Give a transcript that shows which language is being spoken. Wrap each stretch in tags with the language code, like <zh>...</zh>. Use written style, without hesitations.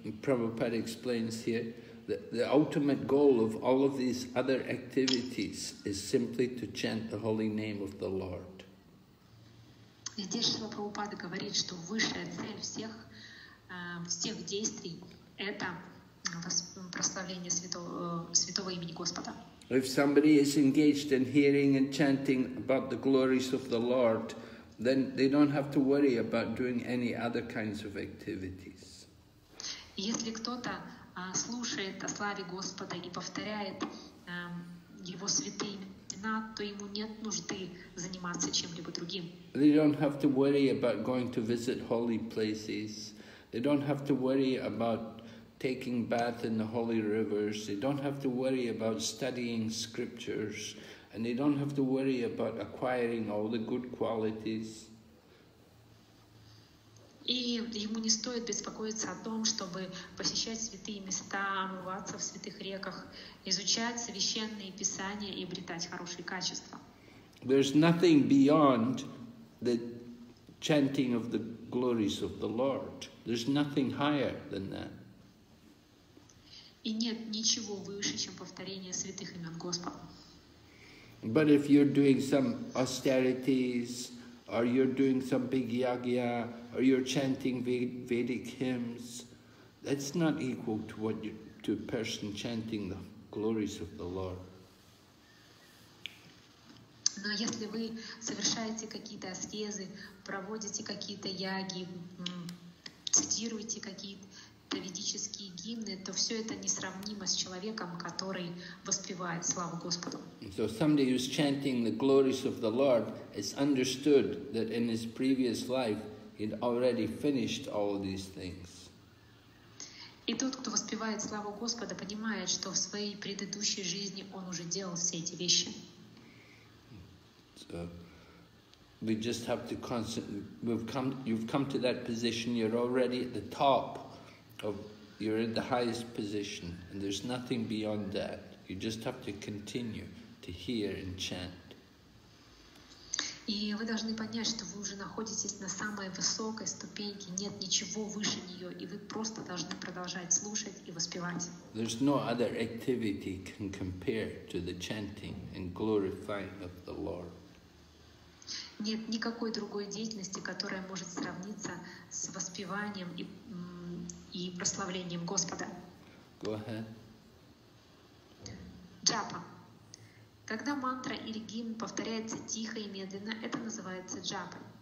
<en>Prabhupada explains here that the ultimate goal of all of these other activities is simply to chant the holy name of the Lord.</en> <ru>Здесь Шрила Прабхупада говорит, что высшая цель всех всех действий – это прославление святого имени Господа.</ru> <en>If somebody is engaged in hearing and chanting about the glories of the Lord, then they don't have to worry about doing any other kinds of activities.</en> <ru>Если кто-то слушает о славе Господа и повторяет его святые имена, то ему нет нужды заниматься чем-либо другим.</ru> <en>They don't have to worry about going to visit holy places. They don't have to worry about taking bath in the holy rivers. They don't have to worry about studying scriptures, and they don't have to worry about acquiring all the good qualities.</en> <ru>И ему не стоит беспокоиться о том, чтобы посещать святые места, омываться в святых реках, изучать священные писания и обретать хорошие качества.</ru> <en>There's nothing beyond the chanting of the glories of the Lord. There's nothing higher than that.</en> <ru>И нет ничего выше, чем повторение святых имен Господа.</ru> <en>But if you're doing some austerities, or you're doing some big yagya, or you're chanting Vedic hymns, that's not equal to what you, to a person chanting the glories of the Lord.</en> <ru>Но если вы совершаете какие-то аскезы, проводите какие-то яги, цитируете какие-то ведические гимны, то все это несравнимо с человеком, который воспевает славу Господу.</ru> <en>So somebody who's chanting the glories of the Lord is understood that in his previous life he'd already finished all these things.</en> <ru>И тот, кто воспевает славу Господа, понимает, что в своей предыдущей жизни он уже делал все эти вещи.</ru> <en>So we just have to you've come to that position, you're already at the top. You're in the highest position, and there's nothing beyond that. You just have to continue to hear and chant.</en> <ru>И вы должны понять, что вы уже находитесь на самой высокой ступеньке. Нет ничего выше нее, и вы просто должны продолжать слушать и воспевать.</ru> <en>There's no other activity can compare to the chanting and glorifying of the Lord.</en> <ru>Нет никакой другой деятельности, которая может сравниться с воспеванием и прославлением Господа.</ru> <en>Go ahead.</en> <ru>Джапа. Когда мантра или гимн повторяется тихо и медленно, это называется джапой.</ru>